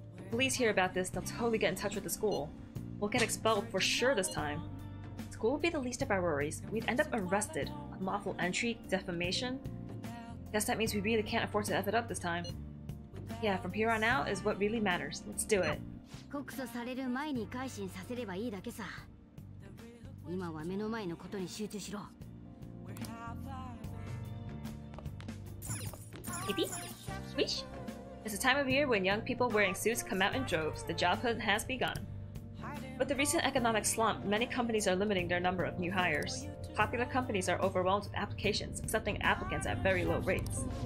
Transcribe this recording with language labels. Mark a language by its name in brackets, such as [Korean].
[English] Police hear about this, they'll totally get in touch with the school. We'll get expelled for sure this time. School would be the least of our worries. We'd end up arrested. Unlawful entry, defamation. Guess that means we really can't afford to F it up this time. Yeah, from here on out is what really matters. Let's do it. [Japanese] 告訴される前に改心させればいいだけさ。今は目の前のことに集中しろ。ピピ、ウィッシュ。 [English] It's a time of year when young people wearing suits come out in droves. The job hunt has begun. With the recent economic slump, many companies are limiting their number of new hires. Popular companies are overwhelmed with applications, accepting applicants at very low rates.